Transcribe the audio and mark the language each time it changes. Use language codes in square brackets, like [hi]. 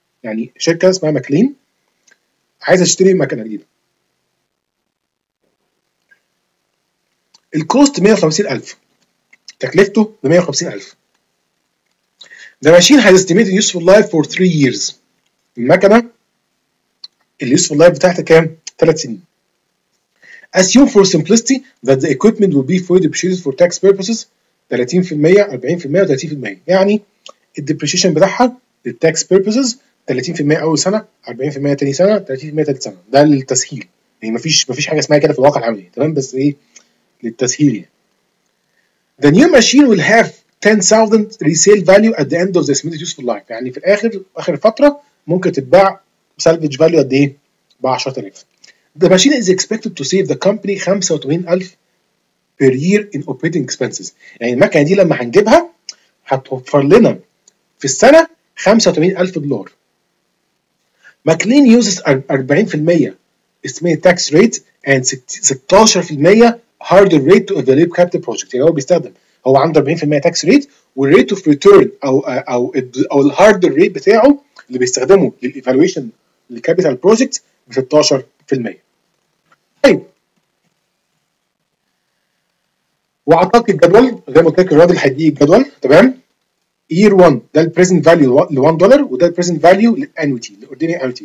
[ar] يعني شركه اسمها ماكلين عايزه تشتري مكنه جديده. الكوست 150,000، تكلفته ب 150,000. [en] The machine has estimated useful life for 3 years. [ar] المكنه اليوسف اللايف بتاعتها كام؟ 3 سنين. [en] Assume for simplicity that the equipment will be fully depreciated for tax purposes 30% 40% و30%. [ar] يعني الديبريشن بتاعها للتاكس purposes 30% اول سنه 40% ثاني سنه 30% ثالث سنه. ده للتسهيل، يعني مفيش حاجه اسمها كده في الواقع العملي. تمام. بس ايه للتسهيل يعني. [en] The new machine will have 10,000 resale value at the end of the estimated useful life. [ar] يعني في الاخر اخر فتره ممكن تتباع سالفج فاليو قد ايه؟ ب 10,000. [en] The machine is expected to save the company 85,000 per year in operating expenses. [ar] يعني المكنة دي لما هنجيبها هتوفر لنا في السنة 85,000 دولار. [en] McLean uses 40% estimated tax rate and 16% hurdle rate to evaluate capital project. [ar] يعني هو بيستخدم هو عنده 40% tax rate والrate of return أو الهاردل ريت بتاعه اللي بيستخدمه للإيفالويشن للكابيتال بروجكت ب 16%. وعطاك الجدول زي ما قلت لك الراجل هيديك الجدول تمام. year 1 ده البريزنت فاليو ل 1 دولار وده البريزنت فاليو للانويتي للاوردينري انويتي.